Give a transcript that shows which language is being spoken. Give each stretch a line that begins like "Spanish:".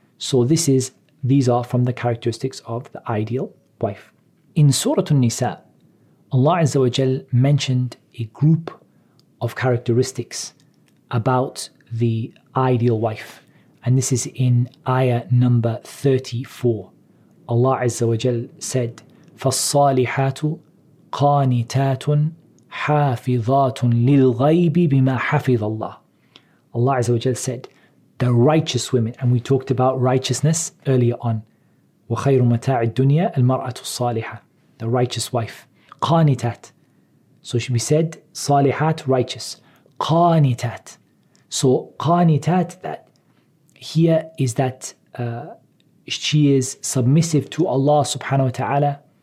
English: So these are from the characteristics of the ideal wife. In Surah An-Nisa, Allah Azza wa Jal mentioned a group of characteristics about the ideal wife. And this is in ayah number 34. Allah Azza wa Jal said,
Arabic: فَالصَّالِحَاتُ قَانِتَاتٌ حَافِظَاتٌ لِلْغَيْبِ بِمَا حَفِظَ اللَّهِ.
English: Allah Azza wa Jal said, the righteous women, and we talked about righteousness earlier on,
Arabic: وَخَيْرُ مَتَاعِ الدُّنْيَا الْمَرْأَةُ الصَّالِحَةِ,
English: the righteous wife. Qanitat. So should be said, salihat, righteous. Qanitat. So qanitat, that here is that she is submissive to Allah subhanahu wa ta'ala.